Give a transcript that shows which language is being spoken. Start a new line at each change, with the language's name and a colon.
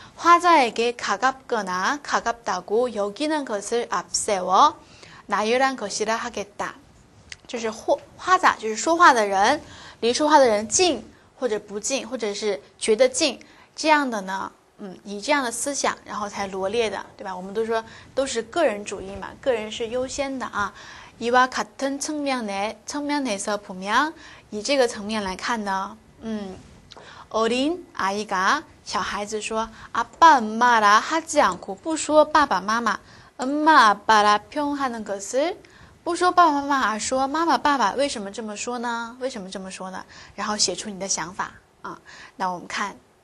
Korean: 화자에게가깝거나가깝다고여기는것을앞세워나열한것이라하겠다，
Chinese: 就是화자，就是说话的人，离说话的人近或者不近，或者是觉得近，这样的呢，以这样的思想，然后才罗列的，对吧？我们都说都是个人主义嘛，个人是优先的啊。
Korean: 이와 같은 측면에서 보면 이
Chinese: 这个层面来看呢，
Korean: 어린 아이가
Chinese: 小孩子说
Korean: 아빠 엄마라 하지 않고
Chinese: 不说爸爸妈妈
Korean: 엄마 아빠라 표현하는 것을
Chinese: 不说爸爸妈妈说妈妈爸爸为什么这么说呢为什么这么说呢然后写出你的想法啊那我们看